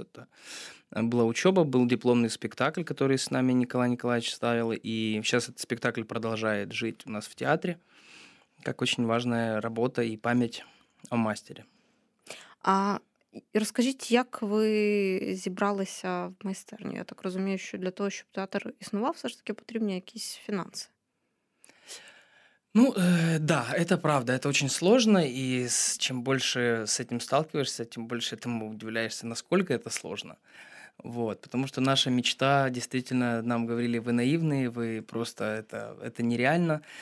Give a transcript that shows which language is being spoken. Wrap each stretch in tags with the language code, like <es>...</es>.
<ru>Это была учеба, был дипломный спектакль, который с нами Николай Николаевич ставил. И сейчас этот спектакль продолжает жить у нас в театре, как очень важная работа и память о мастере. А расскажите, как вы</ru> <uk>зібрались в майстерню? Я так розумію, що для того, щоб театр існував, все ж таки потрібні якісь фінанси.</uk> <ru>Ну, да, это правда, это очень сложно, и чем больше с этим сталкиваешься, тем больше этому удивляешься, насколько это сложно. Вот, потому что наша мечта, действительно, нам говорили, вы наивные, вы просто, это нереально.</ru>